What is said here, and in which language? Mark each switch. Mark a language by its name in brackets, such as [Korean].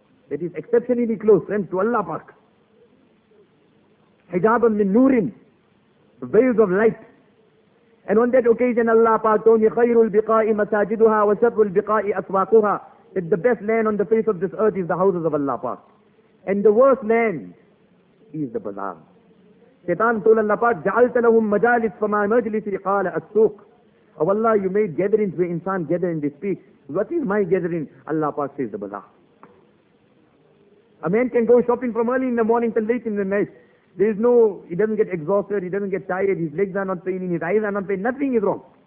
[English] That is exceptionally close, friends, to Allah Pak. [Arabic] Hijaban min nurin, [English] veils of light. And on that occasion Allah Pak told me, [Arabic] khayrul biqai masajiduha wa sharrul biqai aswaquha. [English] That the best land on the face of this earth is the houses of Allah Pak. And the worst land is the bazaar. Shaitan told Allah Pak, [Arabic] جَعَلْتَ لَهُمْ مَجَالِسْ فَمَا مَجْلِسِ قَالَ أَسْوْقُ. [English] Oh Allah, you made gatherings where insan gather and they speak. What is my gathering? Allah Pak says the bazaar. A man can go shopping from early in the morning till late in the night. There is no, he doesn't get exhausted, he doesn't get tired, his legs are not paining, his eyes are not paining, nothing is wrong.